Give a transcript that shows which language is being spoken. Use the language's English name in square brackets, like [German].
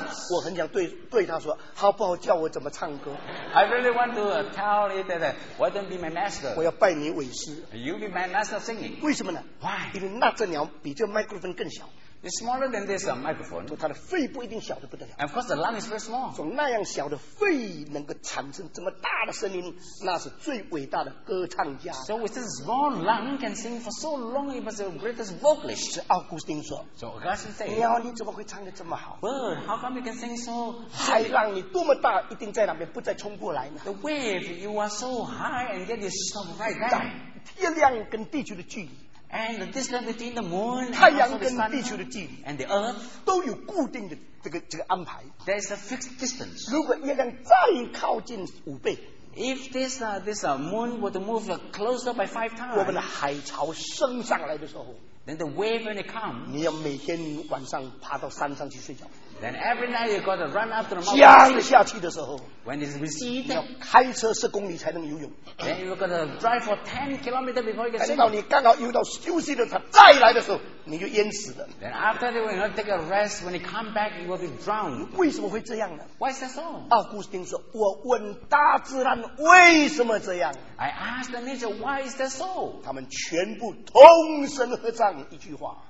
[Chinese] 我很想对他说， 好不好教我怎么唱歌？ [English] I really want to tell you that why don't be my master? [Chinese] 我要拜你为师。 [English] You'll be my master singing. [Chinese] 为什么呢？ [English] Why? [Chinese] 因为那只鸟比这 microphone 更小。 [English] It's smaller than this microphone. [Chinese] 它的肺不一定小得不得了。 [English] And of course the lung is very small. [Chinese] 从那样小的肺能够产生这么大的声音， 那是最伟大的歌唱家。 [English] So with this small lung can sing for so long, it was the greatest vocalist. [Chinese] 是奥古斯丁说。 [English] So Augustine said, [Chinese] 鸟你怎么会唱得这么好？ [English] Bird, how come you can sing so high? [Chinese] 海浪你多么大， 一定在那边不再冲过来呢？ [English] The wave, you are so high and yet you stop right there. [Chinese] 月亮跟地球的距离， [English] and the distance between the moon and the sun and the earth, [Chinese] 都有固定的这个安排。 [English] There is a fixed distance. [Chinese] 如果月亮再靠近5倍， [English] if this moon were to move closer by 5 times, [Chinese] 我们的海潮升上来的时候， [English] then the wave when it comes, [Chinese] 你要每天晚上爬到山上去睡觉。 [English] Then every night you got to run up to the mountain. [Chinese] 降下去的时候， [English] when it's receding, [Chinese] 你要开车10公里才能游泳。 [English] Then you got to drive for 10 kilometers before you can swim. [Chinese] 等到你刚好游到休息的时候，再来的时候， 你就淹死了。 [English] Then after that, when you take a rest, when you come back, you will be drowned. [Chinese] 为什么会这样呢？ [English] Why is that so? [Chinese] 奥古斯丁说， 我问大自然为什么这样？ [English] I asked the nature, why is that so? [Chinese] 他们全部同声合唱一句话。